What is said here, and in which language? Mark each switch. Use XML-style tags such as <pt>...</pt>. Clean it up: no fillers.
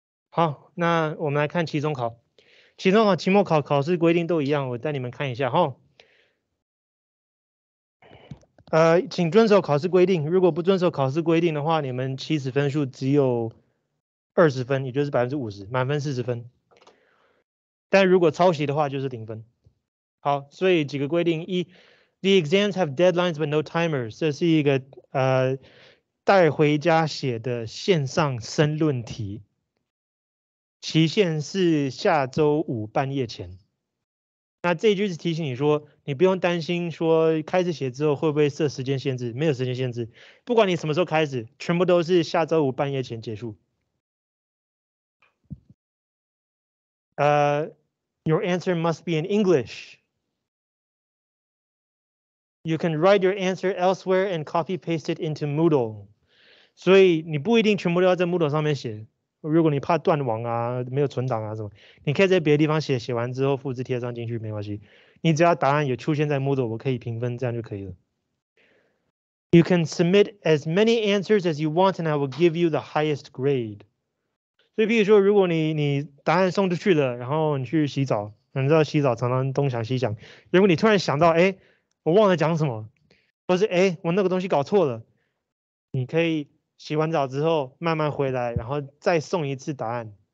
<zh>好，那我们来看期中考。期中考、期末考考试规定都一样，我带你们看一下哈。请遵守考试规定，如果不遵守考试规定的话，你们起始分数只有20分，也就是50%，满分40分。但如果抄袭的话就是0分。好，所以几个规定。</zh> <en>一， The exams have deadlines but no timers.</en> <zh>这是一个带回家写的线上申论题。期限是下周五半夜前。那这一句是提醒你说，你不用担心说开始写之后会不会设时间限制，没有时间限制。不管你什么时候开始，全部都是下周五半夜前结束。</zh> <en>Your answer must be in English. You can write your answer elsewhere and copy paste it into Moodle.</en> <zh>所以你不一定全部都要在 Moodle 上面写。如果你怕断网啊，没有存档啊什么，你可以在别的地方写，写完之后复制贴上进去没关系。你只要答案有出现在 Moodle， 我可以评分，这样就可以了。</zh> <en>You can submit as many answers as you want, and I will give you the highest grade.</en> <zh>所以，比如说，如果你答案送出去了，然后你去洗澡，你知道洗澡常常东想西想，如果你突然想到，哎，我忘了讲什么，或是哎，我那个东西搞错了，你可以洗完澡之后慢慢回来，然后再送一次答案。</zh>